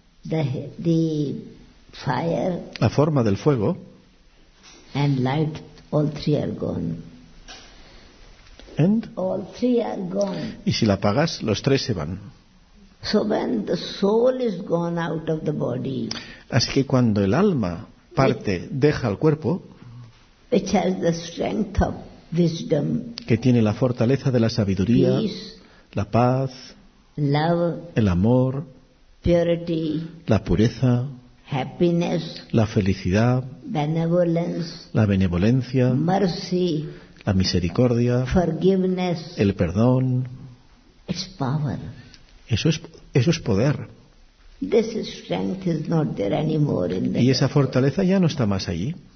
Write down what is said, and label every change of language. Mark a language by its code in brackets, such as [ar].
[en] The fire. [es] La forma del fuego. [en] And light, all three are gone. And? All three are gone. [es] Y si la apagas, los tres se van. [en] So when the soul is gone out of the body. [es] Así que cuando el alma parte, deja el cuerpo. [en] Which has the strength of wisdom. [es] Que tiene la fortaleza de la sabiduría. [en] Peace, [es] la paz. [en] Love. [es] El amor. [en] Purity. [es] La pureza. [en] Happiness, [es] la felicidad, [en] benevolence, [es] la benevolencia, [en] mercy, [es] la misericordia, [en] forgiveness, [es] el perdón, [en] it's power. [es] Eso es poder. [en] This strength is not there anymore in the [es] y esa fortaleza ya no está más allí.